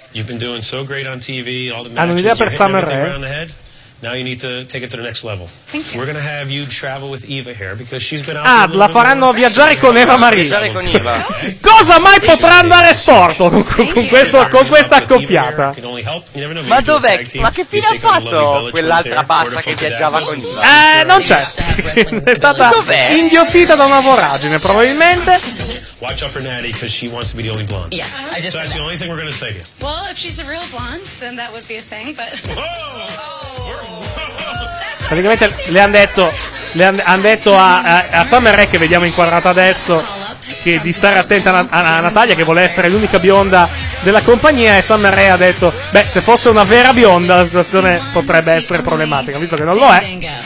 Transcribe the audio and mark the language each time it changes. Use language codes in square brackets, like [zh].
[en] You've been doing so great on TV, all the matches. You're hitting everything around the head. Now you need to take it to the next level. Thank you. We're gonna have you travel with Eva here because she's been. [it] Ah, la faranno viaggiare con Eva Marie. Viaggiare con Eva. Cosa mai potrà andare storto con questo, con questa accoppiata? Ma dov'è? Ma che fine ha fatto quell'altra bassa che viaggiava con Eva? Non c'è. È stata inghiottita da una voragine, probabilmente. [en] Watch out for Natty because she wants to be the only blonde. Yes, I just. So that's the only thing we're gonna say here. Well, if she's a real blonde, then that would be a thing, but. [it] Praticamente le hanno detto, han detto a Summer Rae, che vediamo inquadrata adesso, che di stare attenta a Natalia, che vuole essere l'unica bionda della compagnia. E Summer Rae ha detto: beh, se fosse una vera bionda la situazione potrebbe essere problematica, visto che non lo è.